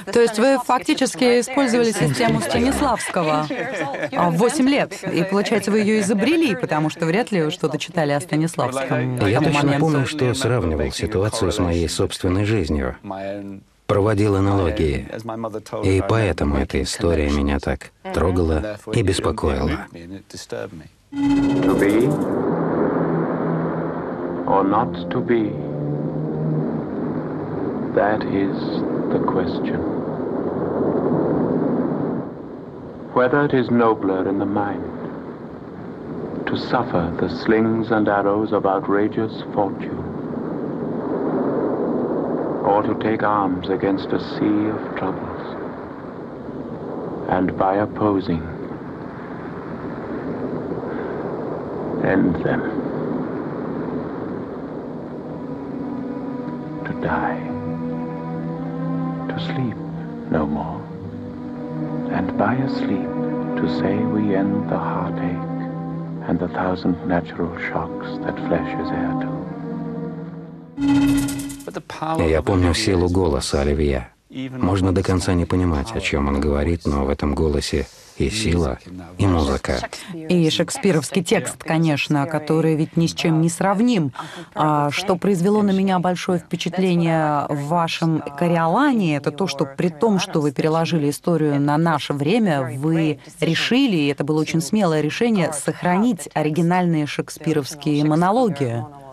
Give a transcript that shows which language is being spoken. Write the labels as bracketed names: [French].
[Russian] То есть вы фактически использовали систему Станиславского в 8 лет, и, получается, вы ее изобрели, потому что вряд ли что-то читали о Станиславском. Я точно помню, что сравнивал ситуацию с моей собственной жизнью. Проводил аналогии, и поэтому эта история меня так трогала и беспокоила. [English] To be or not to be, that is the question. Whether it is nobler in the mind to suffer the slings and arrows of outrageous fortune, or to take arms against a sea of troubles, and by opposing, end them, to die, to sleep no more, and by a sleep to say we end the heartache and the thousand natural shocks that flesh is heir to. [Russian] Я помню силу голоса Оливье. Можно до конца не понимать, о чем он говорит, но в этом голосе и сила, и музыка. И шекспировский текст, конечно, который ведь ни с чем не сравним. А что произвело на меня большое впечатление в вашем Кориолане, это то, что при том, что вы переложили историю на наше время, вы решили, и это было очень смелое решение, сохранить оригинальные шекспировские монологи.